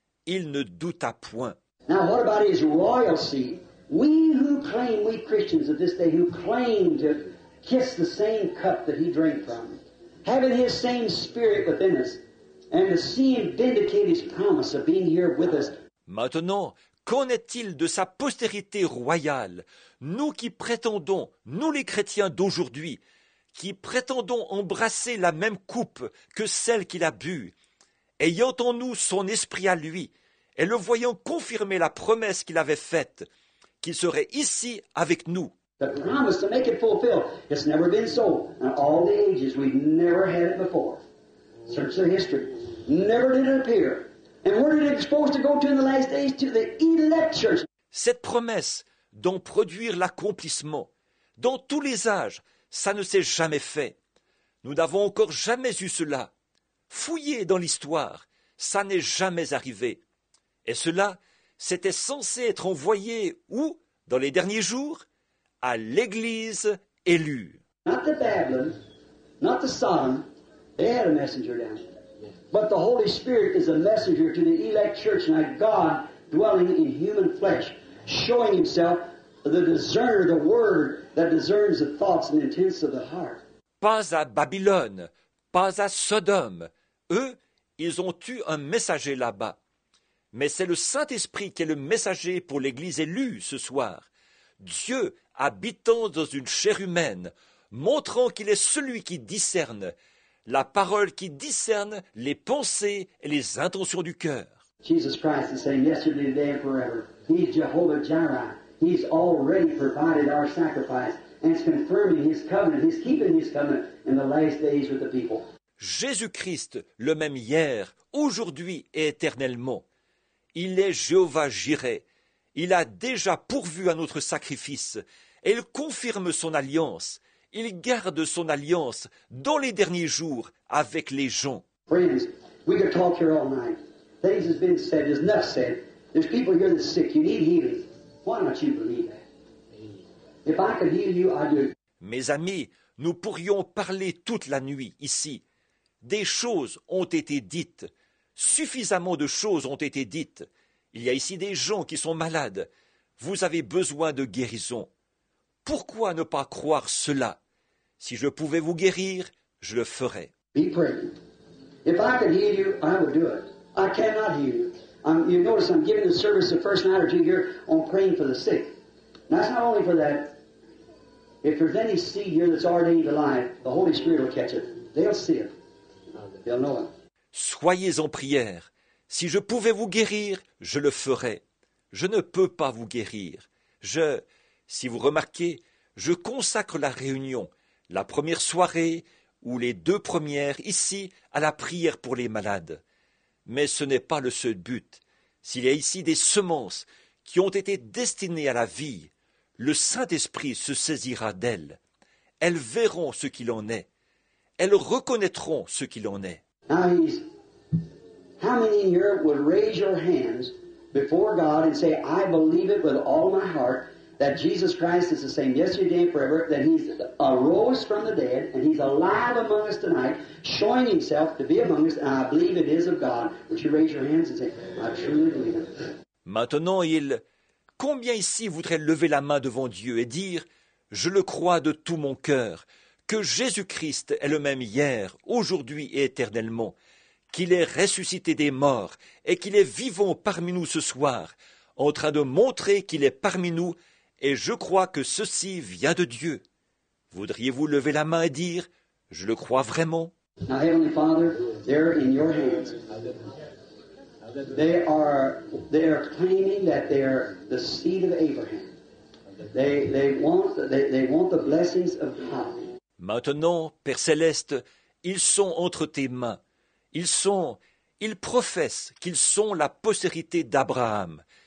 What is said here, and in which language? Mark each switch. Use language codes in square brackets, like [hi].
[fr] Il ne douta point. [en] Now what about his royal seat? We Christians of this day who claim to kiss the same cup that he drank from, having his same spirit within us, and to see him vindicate his promise of being here with us. [fr] Maintenant, qu'en est-il de sa postérité royale, nous qui prétendons, nous les chrétiens d'aujourd'hui, qui prétendons embrasser la même coupe que celle qu'il a bue, ayant en nous son esprit à lui, et le voyant confirmer la promesse qu'il avait faite, qu'il serait ici avec nous. [en] The promise to make it fulfill, it's never been so. In all the ages, we've never had it before. Search the history. Never did it appear. And where did it supposed to go to in the last days? To the elect church. [fr] Cette promesse d'en produire l'accomplissement, dans tous les âges, ça ne s'est jamais fait. Nous n'avons encore jamais eu cela. Fouillez dans l'histoire, ça n'est jamais arrivé. Et cela, c'était censé être envoyé où, dans les derniers jours, à l'Église élue. [en] Not the Babylon, not the Sodom, they had a messenger down. But the Holy Spirit is a messenger to the elect church, and God dwelling in human flesh, showing himself the discerner, the word that discerns the thoughts and intents of the heart. [fr] Pas à Babylone, pas à Sodome. Eux, ils ont eu un messager là-bas. Mais c'est le Saint-Esprit qui est le messager pour l'Église élue ce soir. Dieu habitant dans une chair humaine, montrant qu'il est celui qui discerne, la parole qui discerne les pensées et les intentions du cœur. [en] Jesus Christ is saying yesterday, today, and forever. He's Jehovah Jireh. He's already provided our sacrifice and is confirming his covenant. He's keeping his covenant in the last days with the people. [fr] Jésus-Christ, le même hier, aujourd'hui et éternellement. Il est Jéhovah Jireh. Il a déjà pourvu à notre sacrifice. Et il confirme son alliance. Il garde son alliance dans les derniers jours avec les gens. [en] Friends, we could talk here all night. Things have been said, there's enough said. There's people here that are sick, you need healing. Why don't you believe that? If I could heal you, I do. [fr] Mes amis, nous pourrions parler toute la nuit ici. Des choses ont été dites. Suffisamment de choses ont été dites. Il y a ici des gens qui sont malades. Vous avez besoin de guérison. Pourquoi ne pas croire cela? Si je pouvais vous guérir, je le ferais. [en] Be praying. If I could heal you, I would do it. I cannot heal you. You notice I'm giving the service the first night or two here on praying for the sick. That's not only for that. If there's any seed here that's already alive, the Holy Spirit will catch it. They'll see it. They'll know it. [fr] Soyez en prière. Si je pouvais vous guérir, je le ferais. Je ne peux pas vous guérir. Si vous remarquez, je consacre la réunion, la première soirée ou les deux premières ici à la prière pour les malades. Mais ce n'est pas le seul but. S'il y a ici des semences qui ont été destinées à la vie, le Saint-Esprit se saisira d'elles. Elles verront ce qu'il en est. Elles reconnaîtront ce qu'il en est. [en] How many in here would raise your hands before God and say, I believe it with all my heart that Jesus Christ is the same yesterday and forever, that he's arose from the dead and he's alive among us tonight, showing himself to be among us, and I believe it is of God. Would you raise your hands and say, I truly believe it? [fr] Maintenant, combien ici voudrait lever la main devant Dieu et dire, je le crois de tout mon cœur, que Jésus-Christ est le même hier, aujourd'hui et éternellement, qu'il est ressuscité des morts et qu'il est vivant parmi nous ce soir, en train de montrer qu'il est parmi nous et je crois que ceci vient de Dieu. Voudriez-vous lever la main et dire, je le crois vraiment? [en] Now, Heavenly Father, they're in your hands. They are claiming that they are the seed of Abraham. They want the blessings of God. [fr] Maintenant, Père Céleste, ils sont entre tes mains. Ils professent qu'ils sont la postérité d'Abraham.